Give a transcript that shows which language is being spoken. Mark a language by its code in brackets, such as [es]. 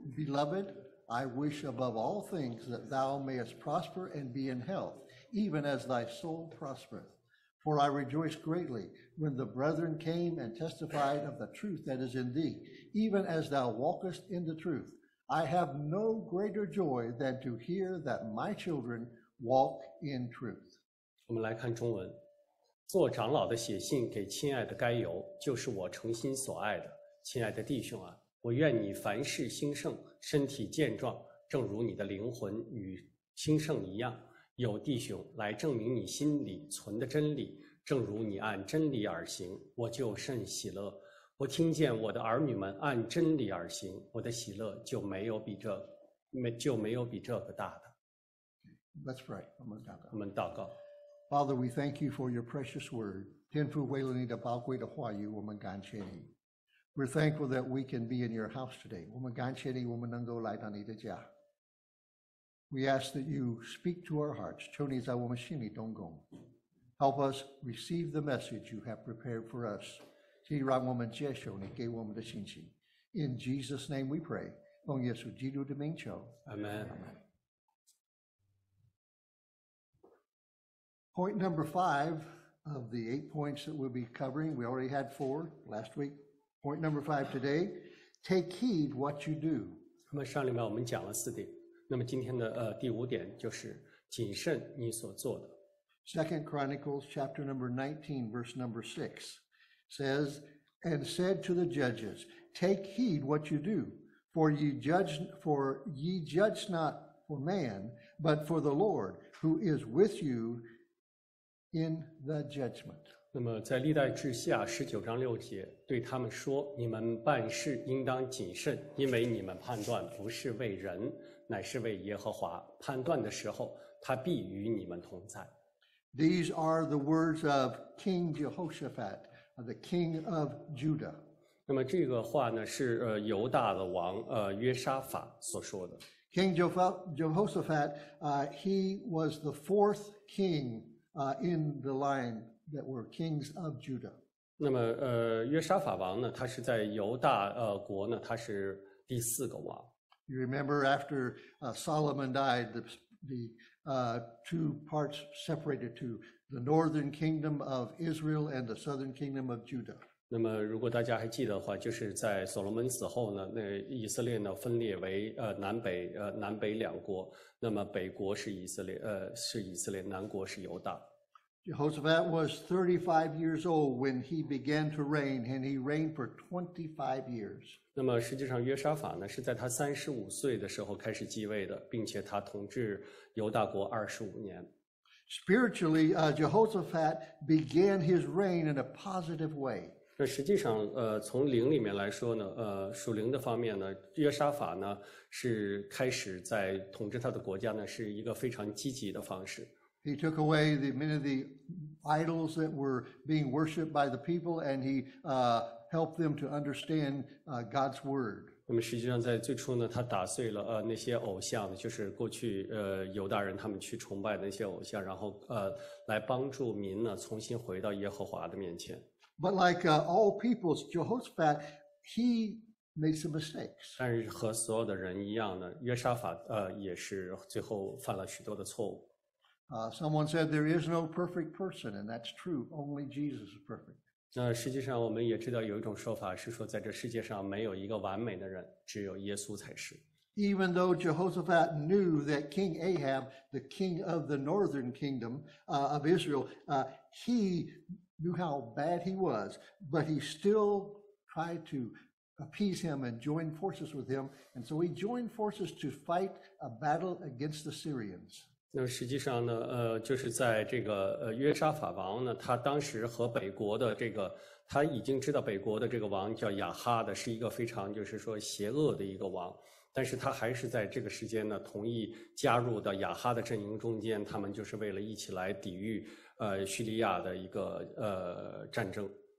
[en] Beloved,I wish above all things that thou mayest prosper and be in health, even as thy soul prospereth. For I rejoiced greatly when the brethren came and testified of the truth that is in thee, even as thou walkest in the truth. I have no greater joy than to hear that my children walk in truth. [zh] 我们来看中文。做长老的写信给亲爱的该由，就是我诚心所爱的。亲爱的弟兄啊，我愿你凡事兴盛，身体健壮，正如你的灵魂与兴盛一样。有弟兄来证明你心里存的真理，正如你按真理而行，我就甚喜乐。我听见我的儿女们按真理而行，我的喜乐就没有比这个大的。 [en] Let's pray. [zh] 我们祷告。我们祷告。 [en] Father, we thank you for your precious word. [zh] 天父，为了你的宝贵的话语，我们感谢你。 [en] We're thankful that we can be in your house today. [zh] 我们感谢你，我们能够来到你的家。 [en] We ask that you speak to our hearts. [zh] 求你在我们心里动工。 [en] Help us receive the message you have prepared for us. [zh] 请你让我们接受你给我们的信息。 [en] In Jesus' name we pray. [zh] 奉耶稣基督的名求。 [en] Amen. Amen. Point number five of the 8 points that we'll be covering, we already had 4 last week. Point number 5 today, take heed what you do. [zh] 那么上礼拜我们讲了四点，那么今天的第五点就是谨慎你所做的。 [en] Second Chronicles chapter number 19 verse number 6 says, and said to the judges, take heed what you do, for ye judge not for man, but for the Lord who is with you,In the judgment. [zh] 那么在历代志下19:6对他们说，你们办事应当谨慎，因为你们判断不是为人，乃是为耶和华。判断的时候，他必与你们同在。 [en] These are the words of King Jehoshaphat, the king of Judah. [zh] 那么这个话呢，是犹大的王约沙法所说的。 [en] King Jehoshaphat, he was the fourth king. In the line that were kings of Judah. [zh] 那么约沙法王呢，他是在犹大国呢，他是第四个王。 You remember after Solomon died, the two parts separated to the northern kingdom of Israel and the southern kingdom of Judah. 那么如果大家还记得的话，就是在所罗门死后呢，那以色列呢分裂为南北两国。那么北国是以色列，是以色列，南国是犹大。 [en] Jehoshaphat was 35 years old when he began to reign, and he reigned for 25 years. [zh] 那么实际上约沙法呢，是在他35岁的时候开始继位的，并且他统治犹大国25年。 [en] Spiritually, Jehoshaphat began his reign in a positive way. [zh] 那实际上从灵里面来说呢，属灵的方面呢，约沙法呢是开始在统治他的国家呢，是一个非常积极的方式。 [en] He took away many of the idols that were being worshipped by the people, and he helped them to understand God's word. [zh] 那么实际上在最初呢，他打碎了那些偶像，就是过去犹大人他们去崇拜的那些偶像，然后来帮助民呢重新回到耶和华的面前。 [en] But like all peoples, Jehoshaphat, he made some mistakes. [zh] 但是和所有的人一样呢，约沙法也是最后犯了许多的错误。 [en] Someone said there is no perfect person, and that's true. Only Jesus is perfect. [zh] 那实际上我们也知道有一种说法是说，在这世界上没有一个完美的人，只有耶稣才是。 [en] Even though Jehoshaphat knew that King Ahab, the king of the northern kingdom of Israel, he knew how bad he was, but he still tried to appease him and join forces with him, and so he joined forces to fight a battle against the Syrians. [zh] 那实际上呢，就是在这个约沙法王呢，他当时和北国的这个，他已经知道北国的这个王叫亚哈的，是一个非常就是说邪恶的一个王，但是他还是在这个时间呢，同意加入到亚哈的阵营中间，他们就是为了一起来抵御叙利亚的一个战争。